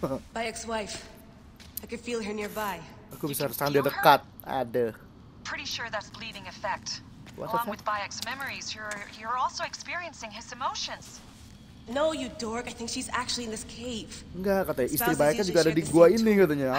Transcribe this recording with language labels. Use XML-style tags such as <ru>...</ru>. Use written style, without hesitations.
<en>Bayek's wife. I could feel her nearby.</en> <id>Aku bisa rasakan dia dekat. Aduh.</id> <en>pretty sure that's bleeding effect. What Along with Bayek's memories, you're also experiencing his emotions. No, you dork. I think she's actually in this cave.</en> <id>Enggak, katanya istri Bayek kan juga ada di gua ini katanya.</id>